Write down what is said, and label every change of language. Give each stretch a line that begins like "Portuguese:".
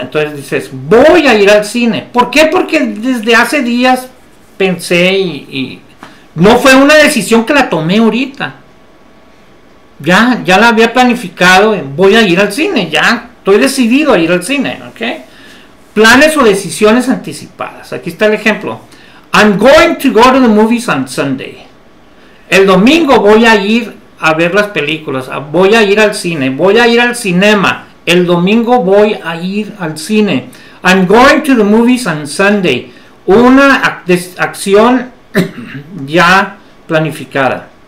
Spanish: Entonces dices, voy a ir al cine. ¿Por qué? Porque desde hace días pensé y no fue una decisión que la tomé ahorita. Ya la había planificado, voy a ir al cine, ya estoy decidido a ir al cine, ¿ok? Planes o decisiones anticipadas. Aquí está el ejemplo.
English: I'm going to go to the movies on Sunday.
Spanish: El domingo voy a ir a ver las películas, voy a ir al cine, voy a ir al cinema. El domingo voy a ir al cine.
English: I'm going to the movies on Sunday.
Spanish: Una acción ya planificada.